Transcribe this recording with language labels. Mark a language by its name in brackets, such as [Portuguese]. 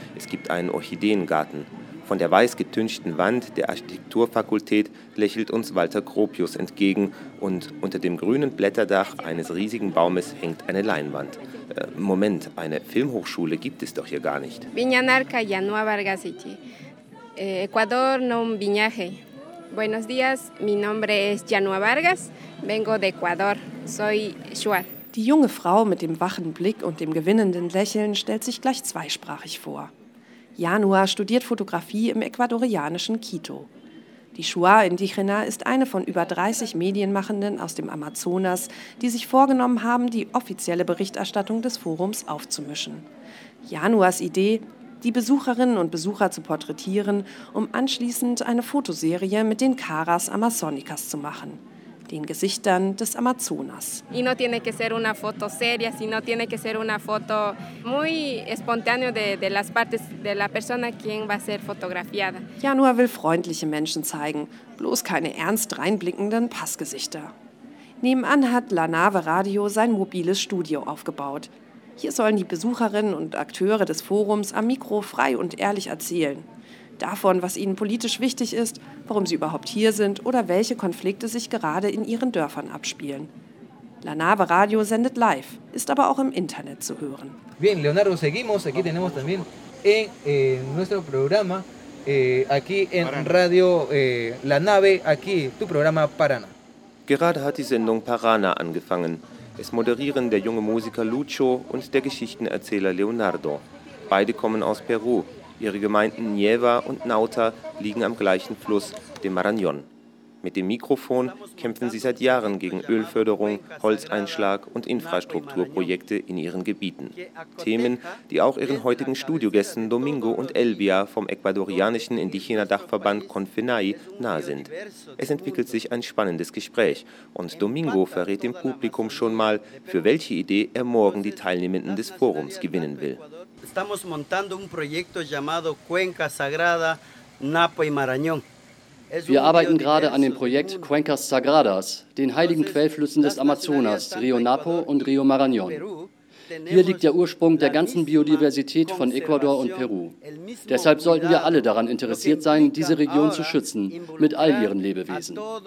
[German] Es gibt einen Orchideengarten. Von der weiß getünchten Wand der Architekturfakultät lächelt uns Walter Gropius entgegen und unter dem grünen Blätterdach eines riesigen Baumes hängt eine Leinwand. Moment, eine Filmhochschule gibt es doch hier gar nicht. Viñanarca, Llanua Vargas City. Ecuador, non Viñaje. [Spanish] Buenos días, mi nombre es Llanua Vargas, vengo de Ecuador, soy Shuar. [German] Die junge Frau mit dem wachen Blick und dem gewinnenden Lächeln stellt sich gleich zweisprachig vor. Llanua studiert Fotografie im ecuadorianischen Quito. Die Shuar Indígena ist eine von über 30 Medienmachenden aus dem Amazonas, die sich vorgenommen haben, die offizielle Berichterstattung des Forums aufzumischen. Llanuas Idee, die Besucherinnen und Besucher zu porträtieren, um anschließend eine Fotoserie mit den Caras Amazonicas zu machen. Den Gesichtern des Amazonas. [Spanish] Y no tiene que ser una foto seria, sino tiene que ser una foto muy espontánea de las partes de la persona quien va a ser fotografiada. [German] Llanua will freundliche Menschen zeigen, bloß keine ernst reinblickenden Passgesichter. Nebenan hat La Nave Radio sein mobiles Studio aufgebaut. Hier sollen die Besucherinnen und Akteure des Forums am Mikro frei und ehrlich erzählen. Davon, was ihnen politisch wichtig ist, warum sie überhaupt hier sind oder welche Konflikte sich gerade in ihren Dörfern abspielen. La Nave Radio sendet live, ist aber auch im Internet zu hören. [Spanish] Bien, Leonardo, seguimos. Aquí tenemos también en nuestro programa, aquí en Radio La Nave, aquí tu programa Parana. [German] Gerade hat die Sendung Parana angefangen. Es moderieren der junge Musiker Lucho und der Geschichtenerzähler Leonardo. Beide kommen aus Peru. Ihre Gemeinden Nieva und Nauta liegen am gleichen Fluss, dem Marañón. Mit dem Mikrofon kämpfen sie seit Jahren gegen Ölförderung, Holzeinschlag und Infrastrukturprojekte in ihren Gebieten. Themen, die auch ihren heutigen Studiogästen Domingo und Elvia vom ecuadorianischen Indigena-Dachverband Confenay nahe sind. Es entwickelt sich ein spannendes Gespräch und Domingo verrät dem Publikum schon mal, für welche Idee er morgen die Teilnehmenden des Forums gewinnen will. [Spanish] Estamos montando un proyecto llamado Cuenca Sagrada Napo y Marañón. [German] Wir arbeiten gerade an dem Projekt Cuencas Sagradas, den heiligen Quellflüssen des Amazonas, Rio Napo und Rio Marañón. Hier liegt der Ursprung der ganzen Biodiversität von Ecuador und Peru. Deshalb sollten wir alle daran interessiert sein, diese Region zu schützen, mit all ihren Lebewesen.